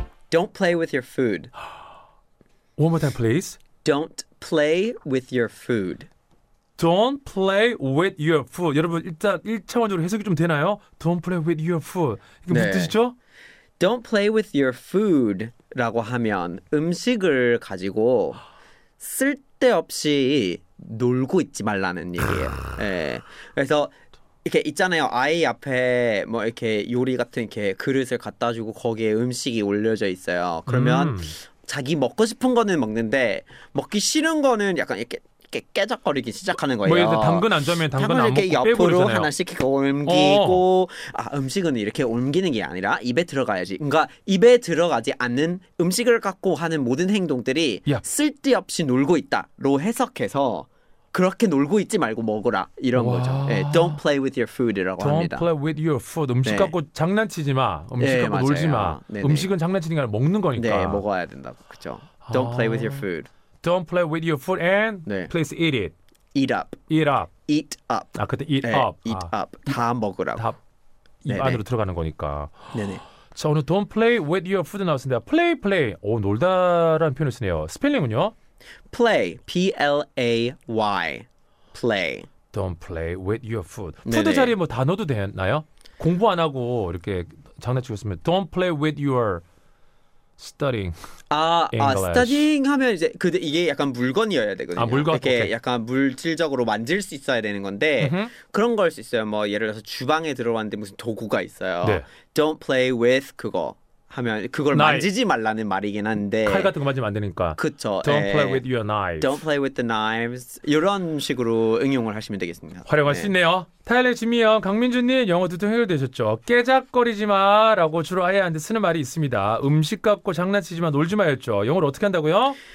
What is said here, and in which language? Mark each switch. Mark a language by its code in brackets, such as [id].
[en] Don't play with your food. One more time, please. Don't play with your food. Don't play with your food. [ko] 여러분 일단 1차원적으로 해석이 좀 되나요? [en] Don't play with your food. [ko] 이게 네. 무슨 뜻이죠? [en] Don't play with your food [ko] 라고 하면 음식을 가지고 쓸데없이 놀고 있지 말라는 얘기예요. 네. 그래서 이렇게 있잖아요. 아이 앞에 뭐 이렇게 요리 같은 이렇게 그릇을 갖다 주고 거기에 음식이 올려져 있어요. 그러면 자기 먹고 싶은 거는 먹는데 먹기 싫은 거는 약간 이렇게 깨작거리기 시작하는 거예요. 뭐 당근 안 주면 당근 안 먹고 옆으로 빼버리잖아요. 하나씩 이렇게 옮기고 아, 음식은 이렇게 옮기는 게 아니라 입에 들어가야지. 그러니까 입에 들어가지 않는 음식을 갖고 하는 모든 행동들이 쓸데없이 놀고 있다로 해석해서 그렇게 놀고 있지 말고 먹어라 이런 와. 거죠. 네, [en] don't play with your food [ko] 이라고 합니다. [en] Don't play with your food. [ko] 음식 갖고 네. 장난치지 마. 음식 네, 갖고 맞아요. 놀지 마. 네네. 음식은 장난치는 게 아니라 먹는 거니까. 네, 먹어야 된다고. 그죠. [en] Don't 아. play with your food. Don't play with your food and 네. please eat it. Eat up. Eat up. Eat up. [ko] 아, 그때 eat 네. up. [en] Eat 아. [ko] up. 다 먹으라고. 다 입 네네. 안으로 들어가는 거니까. 네네. 자, 오늘 [en] don't play with your food [ko] 나왔습니다. [en] Play, play. [ko] 오, 놀다라는 표현을 쓰네요. 스펠링은요? [en] Play, P-L-A-Y, play. Don't play with your food. [ko] 네네. Food 자리에 뭐 단어도 되나요? 공부 안 하고 이렇게 장난치고 있으면 [en] don't play with your studying. [ko] 아, studying 하면 이제 그 이게 약간 물건이어야 되거든요. 아, 물건. 이렇게 오케이. 약간 물질적으로 만질 수 있어야 되는 건데 mm-hmm. 그런 걸 수 있어요. 뭐 예를 들어서 주방에 들어왔는데 무슨 도구가 있어요. 네. [en] Don't play with 그거. [ko] 하면 그걸 knife. 만지지 말라는 말이긴 한데 칼 같은 거 만지면 안 되니까 그렇죠. [en] Don't 에, play with your knives. Don't play with the knives. [ko] 이런 식으로 응용을 하시면 되겠습니다. 활용할 네. 수 있네요. 타일러 지미 형, 강민준님 영어 두통 해결되셨죠? 깨작거리지 마라고 주로 아이한테 쓰는 말이 있습니다. 음식 갖고 장난치지 마, 놀지 마였죠. 영어로 어떻게 한다고요?